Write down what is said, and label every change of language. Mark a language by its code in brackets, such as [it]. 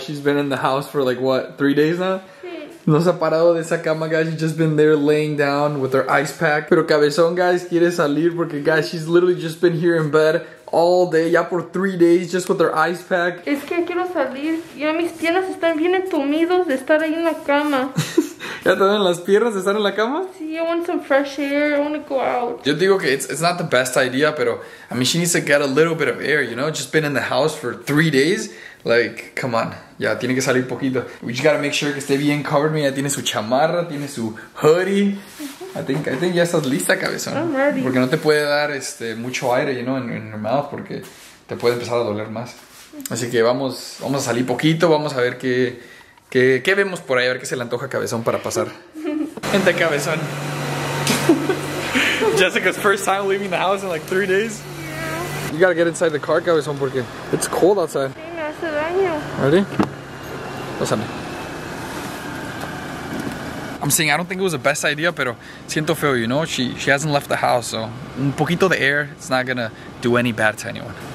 [en] She's been in the house for like, what, 3 days now? [es] Sí. No se ha parado de esa cama, guys. [en] She's just been there laying down with her ice pack. [es] Pero Cabezón, guys, quiere salir porque, [en] guys, she's literally just been here in bed all day. [es] Ya por [en] 3 days, just with her ice pack. [es] Es que quiero salir. Ya mis piernas están bien entumidos de estar ahí en la cama. ¿Ya te duelen las piernas de estar en la cama? [en] Sí, I want some fresh air. I want to go out. [es] Yo digo que [en] it's not the best idea, pero I mean, she needs to get a little bit of air, you know? Just been in the house for 3 days. Like, come on. [es] Ya, tiene que salir poquito. [en] We just got to make sure [es] que esté bien covered. Mira, tiene su chamarra, tiene su hoodie. [en] I think [es] ya estás lista, cabezón. [en] I'm ready. [es] Porque no te puede dar mucho aire, [en] you know, [es] en [en] your mouth, [es] porque te puede empezar a doler más. Así que vamos a salir poquito, vamos a ver qué vemos por ahí, a ver qué se le antoja a cabezón para pasar. Gente, cabezón. [en] Jessica's first time leaving the house in like 3 days. Yeah. You gotta get inside the car, cabezón, porque it's cold outside. [es] Sí, me hace daño. [en] Ready? [es] Pásame. [en] I'm saying I don't think it was the best idea, [es] pero siento feo, [en] you know? She hasn't left the house, so [es] un poquito de [en] air, it's not gonna do any bad to anyone.